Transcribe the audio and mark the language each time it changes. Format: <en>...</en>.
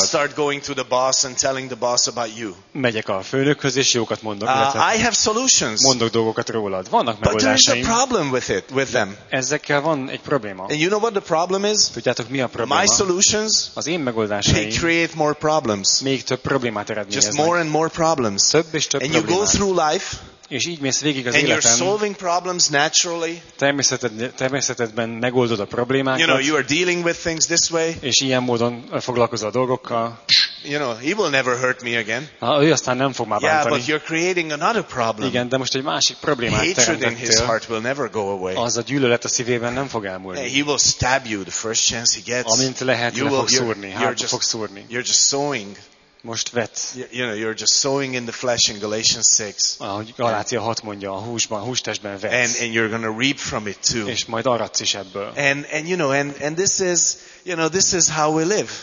<en>I'll start going to the boss and telling the boss about you.</en> <hu>Megyek a főnökhöz és jókat mondok.</hu> <en>I have solutions.</en> <hu>Mondok dolgokat rólad. Vannak megoldásaim.</hu> <en>But there's a problem with it, with them.</en> <hu>Ezekkel van egy probléma.</hu> <en>And you know what the problem is?</en> <hu>Tudjátok, mi a probléma?</hu> <en>My solutions,</en> <hu>az én megoldásaim,</hu> <en>they create more problems.</en> <hu>Még több problémát eredményeznek.</hu> <en>Just more and more problems.</en> <hu>Több és több</hu> <en>and you</en> <hu>problémát.</hu> <en>Go through life.</en> <hu>És így mész végig az</hu> <en>and You're solving problems naturally.</en> <hu>Természetedben megoldod a problémákat.</hu> <en>You know, you are dealing with things this way.</en> <hu>És ilyen módon foglalkozol a dolgokkal.</hu> <en>You know, he will never hurt me again.</en> <hu>Ő aztán nem fog már</hu> <en>yeah,</en> <hu>bántani.</hu> <en>But you're creating another problem.</en> <hu>Igen, de most egy másik problémát</hu> <en>hatred</en> <hu>teremtettél.</hu> <en>In his heart will never go away.</en> <hu>Az a gyűlölet a szívében nem fog elmúlni.</hu> <en>He will stab you the first chance he gets.</en> <hu>Amint lehet,</hu> <en>you will,</en> <hu>fog szúrni.</hu> <en>You're just sowing.</en> <hu>Most vet.</hu> <en>You know, you're just sowing in the flesh in Galatians 6.</en> <hu>Galátia 6 mondja, a húsban, a hústestben vetsz.</hu> <en>And you're going to reap from it too.</en> <hu>És majd aratsz is ebből.</hu> <en>And you know, and this is, you know, this is how we live.</en>